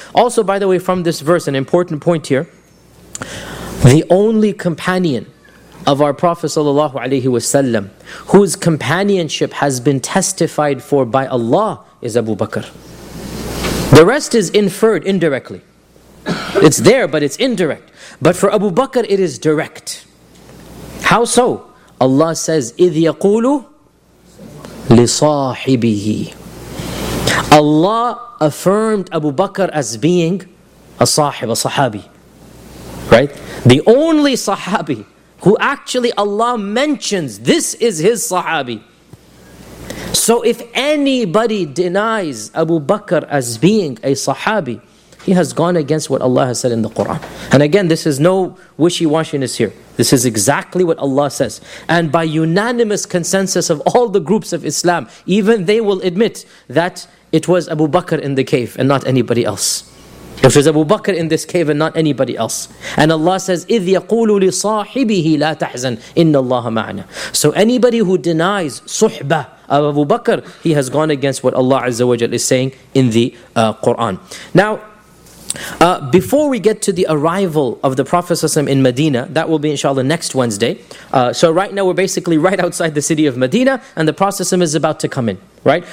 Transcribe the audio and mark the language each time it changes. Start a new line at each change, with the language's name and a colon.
English: Also, by the way, from this verse, an important point here. The only companion of our Prophet sallallahu alayhi wa sallam, whose companionship has been testified for by Allah, is Abu Bakr. The rest is inferred indirectly. It's there, but it's indirect. But for Abu Bakr, it is direct. How so? Allah says,
Arabic: إِذْ يَقُولُ لِصَاحِبِهِ.
English: Allah affirmed Abu Bakr as being a sahib, a sahabi. Right? The only sahabi who actually Allah mentions, this is his sahabi. So if anybody denies Abu Bakr as being a sahabi, he has gone against what Allah has said in the Quran. And again, this is no wishy-washiness here. This is exactly what Allah says. And by unanimous consensus of all the groups of Islam, even they will admit that it was Abu Bakr in the cave and not anybody else. If it's Abu Bakr in this cave and not anybody else. And Allah says,
Arabic: إِذْ يَقُولُ لِصَاحِبِهِ لَا تَحْزَنْ إِنَّ اللَّهَ مَعْنَا.
English: So anybody who denies suhbah of Abu Bakr, he has gone against what Allah Azza wa Jal is saying in the Quran. Now, before we get to the arrival of the Prophet ﷺ in Medina, that will be inshallah next Wednesday. So right now we're basically right outside the city of Medina and the Prophet ﷺ is about to come in, right?